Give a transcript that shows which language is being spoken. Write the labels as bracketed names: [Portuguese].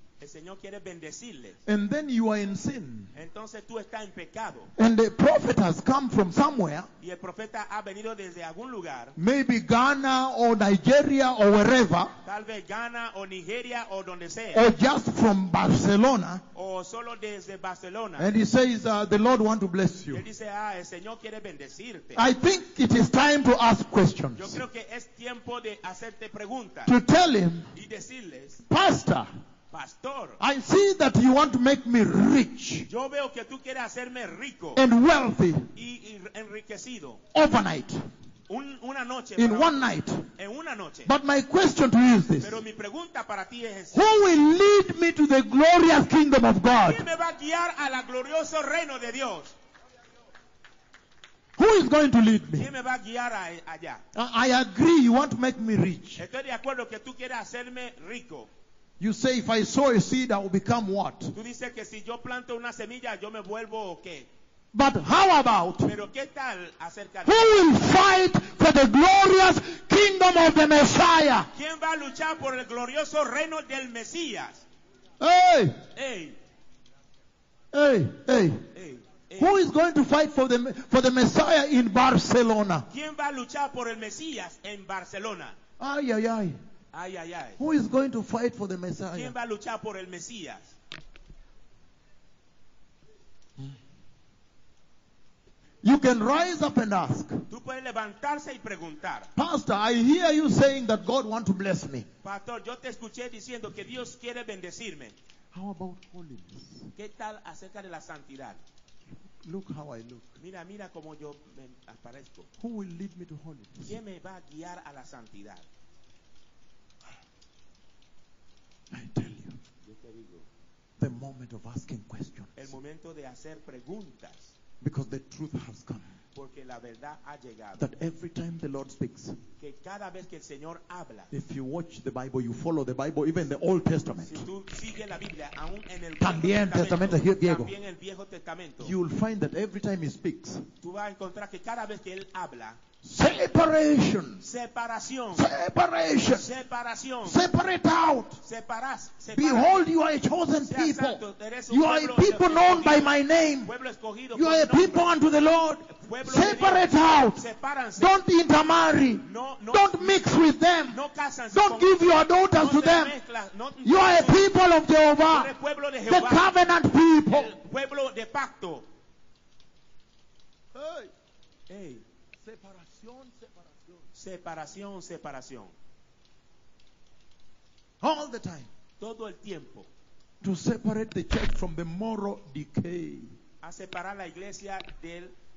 [Spanish] El Señor quiere bendecirle. [English] And then you are in sin. [Spanish] Entonces tú estás en pecado. [English] And the prophet has come from somewhere. [Spanish] Y el profeta ha venido desde algún lugar. [English] Maybe Ghana or Nigeria or wherever. [Spanish] Tal vez Ghana o Nigeria o donde sea. [English] Or just from Barcelona. [Spanish] O solo desde Barcelona. [English] And he says, the Lord wants to bless you. [Spanish] Él dice, el Señor quiere bendecirte. [English] I think it is time to ask questions. [Spanish] Yo creo que es tiempo de hacerte preguntas. [English] To tell him. [Spanish] Y decirles. [English] Pastor. [Spanish] Pastor, [English] I see that you want to make me rich. [Spanish] Yo veo que tú quieres hacerme rico. [English] And wealthy. [Spanish] Y enriquecido. [English] Overnight. [Spanish] Una noche. [English] In one night. [Spanish] En una noche. [English] But my question to you is this. [Spanish] Pero mi pregunta para ti es esta. [English] Who will lead me to the glorious kingdom of God? [Spanish] ¿Quién me va a guiar a la glorioso reino de Dios? [English] Who is going to lead me? [Spanish] ¿Quién me va a guiar allá? [English] I agree you want to make me rich. [Spanish] Estoy de acuerdo que tú quieres hacerme rico. [English] You say, if I sow a seed, I will become what? [Spanish] Tú dices que si yo planto una semilla, yo me vuelvo ¿qué? [English] But how about? [Spanish] Pero ¿qué tal acerca de? [English] Who will fight for the glorious kingdom of the Messiah? [Spanish] ¿Quién va a luchar por el glorioso reino del Mesías? Hey! Hey! Hey! Hey! Hey! [English] Who is going to fight for the Messiah in Barcelona? [Spanish] ¿Quién va a luchar por el Mesías en Barcelona? Ay, ay, ay. Ay, ay, ay. [English] Who is going to fight for the Messiah? [Spanish] ¿Quién va a luchar por el Mesías? [English] You can rise up and ask. [Spanish] Tú puedes levantarse y preguntar. [English] Pastor, I hear you saying that God wants to bless me. [Spanish] Pastor, yo te escuché diciendo que Dios quiere bendecirme. [English] How about holiness? [Spanish] ¿Qué tal acerca de la santidad? [English] Look how I look. [Spanish] Mira cómo yo me aparezco. [English] Who will lead me to holiness? [Spanish] ¿Quién me va a guiar a la santidad? [English] I tell you, [Spanish] yo te digo, [English] the moment of asking questions, [Spanish] el momento de hacer preguntas, [English] because the truth has come, [Spanish] porque la verdad ha llegado, [English] that every time the Lord speaks, [Spanish] que cada vez que el Señor habla, [English] if you watch the Bible, you follow the Bible, even the Old Testament, [Spanish] si tú sigues la Biblia, aún en el también Testamento, Testamento, Diego, también el Viejo Testamento, [English] you will find that every time he speaks, [Spanish] tú vas a encontrar que cada vez que él habla, [English] separation. [Spanish] Separación. [English] Separation. [Spanish] Separación. [English] Separate out. [Spanish] Separas. [English] Behold, you are a chosen people. [Spanish] Santo, [English] you are a people known by my name. You are a people unto the Lord. Separate out. [Spanish] Separanse. [English] Don't intermarry. [Spanish] No, [English] don't mix with them. [Spanish] No [English] don't give your daughters [Spanish] no [English] to them. You are a people of Jehovah. The covenant people. [Spanish] El pueblo de pacto. Hey. Hey. Separación, separación. [English] All the time. [Spanish] Todo el tiempo. [English] to separate the church from the moral decay. [Spanish] A separar la iglesia del